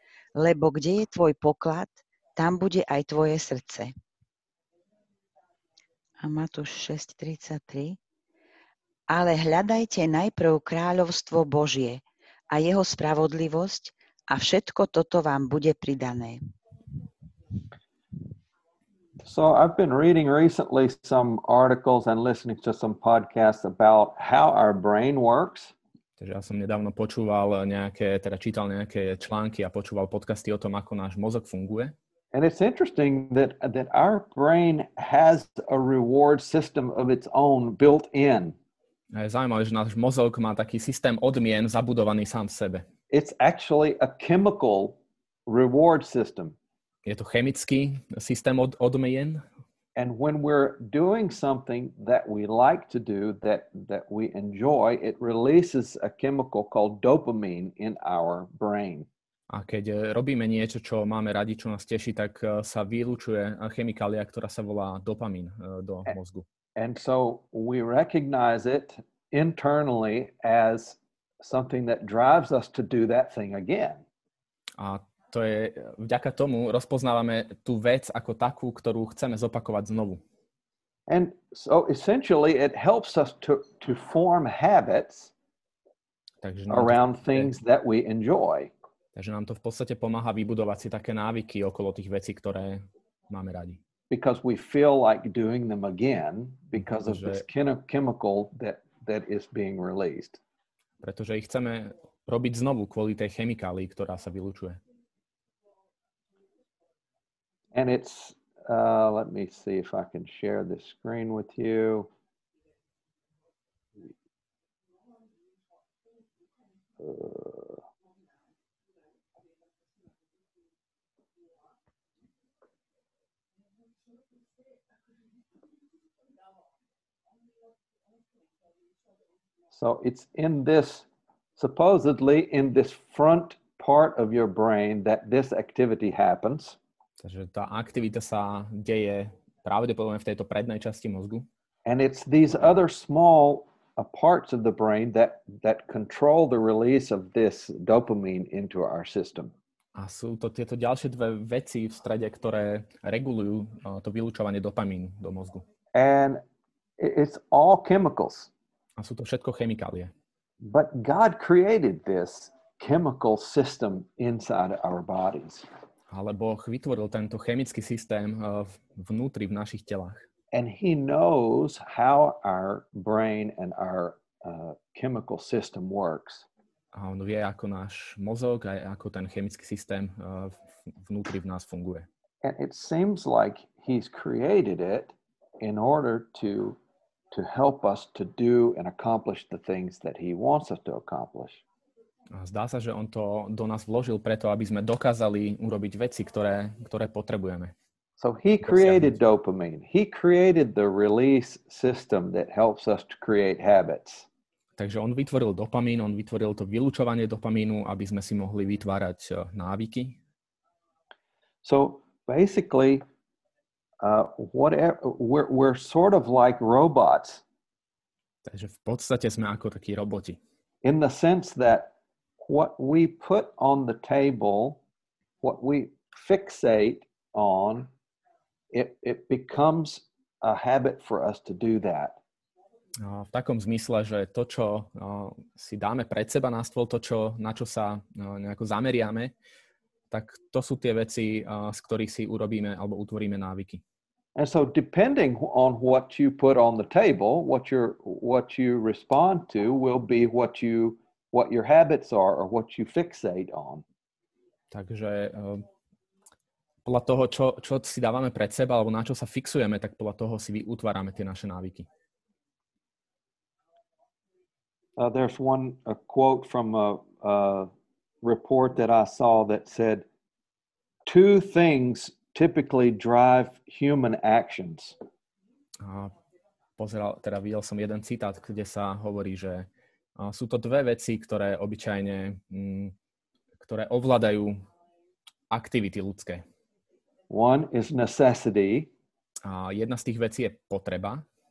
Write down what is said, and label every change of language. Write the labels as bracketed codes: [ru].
[sk] Lebo kde je tvoj poklad, tam bude aj tvoje srdce. A Matúš 6:33. Ale hľadajte najprv kráľovstvo Božie a jeho spravodlivosť a všetko toto vám bude pridané. [en] So I've been reading recently some articles and listening to some podcasts about how our brain works. [sk] Takže ja som nedávno počúval nejaké, teda čítal nejaké články a počúval podcasty o tom, ako náš mozog funguje. [en] And it's interesting that our brain has a reward system of its own built in. [sk] A je zaujímavé, že náš mozog má taký systém odmien zabudovaný sám v sebe. [en] It's actually a chemical reward system. [sk] Je to chemický systém odmien. [en] And when we're doing something that we like to do, that we enjoy, it releases a chemical called dopamine in our brain. [sk] A keď robíme niečo, čo máme radi, čo nás teší, tak sa vylučuje chemikália, ktorá sa volá dopamín do mozgu. [en] And so we recognize it internally as something that drives us to do that thing again. [sk] A to je, vďaka tomu rozpoznávame tú vec ako takú, ktorú chceme zopakovať znovu. [en] And so essentially it helps us to form habits around things that we enjoy. [sk] Takže nám to v podstate pomáha vybudovať si také návyky okolo tých vecí, ktoré máme radi. [en] Because we feel like doing them again because of this chemical that is being released. [sk] Pretože ich chceme robiť znovu kvôli tej chemikálii, ktorá sa vylučuje. [en] And it's let me see if I can share this screen with you. So it's in this, supposedly in this front part of your brain that this activity happens. [sk] Takže tá aktivita sa deje pravdepodobne v tejto prednej časti mozgu. [en] And it's these other small parts of the brain that control the release of this dopamine into our system. [sk] A sú to tieto ďalšie dve veci v strede, ktoré regulujú to vylučovanie dopamínu do mozgu. [en] And it's all chemicals. [sk] A sú to všetko chemikálie. [en] But God created this chemical system inside our bodies. [sk] Ale Boh vytvoril tento chemický systém vnútri v našich telách. [en] And he knows how our brain and our chemical system works. [sk] A on vie, ako náš mozog a ako ten chemický systém vnútri v nás funguje. [en] And it seems like he's created it in order to help us to do and accomplish the things that he wants us to accomplish. [sk] A zdá sa, že on to do nás vložil preto, aby sme dokázali urobiť veci, ktoré potrebujeme. [en] So he created dopamine. He created the release system that helps us to create habits. [sk] Takže on vytvoril dopamín, on vytvoril to vylučovanie dopamínu, aby sme si mohli vytvárať návyky. [en] So basically we're sort of like robots. [sk] Takže v podstate sme ako takí roboti. [en] In the sense that what we put on the table, what we fixate on, it becomes a habit for us to do that. [sk] V takom zmysle, že to, čo si dáme pred seba na stôl, to, čo, na čo sa nejako zameriame, tak to sú tie veci, z ktorých si urobíme alebo utvoríme návyky. [en] And so depending on what you put on the table, what you respond to will be what your habits are or what you fixate on. [sk] Takže podľa toho, čo si dávame pred seba alebo na čo sa fixujeme, tak podľa toho si utvárame tie naše návyky. [en] There's one a quote from a report that I saw that said two things typically drive human actions. [sk] Pozeral, teda videl som jeden citát, kde sa hovorí, že sú to dve veci, ktoré obyčajne ktoré ovládajú aktivity ľudské. [en] One is necessity. [sk] A jedna z tých vecí je potreba.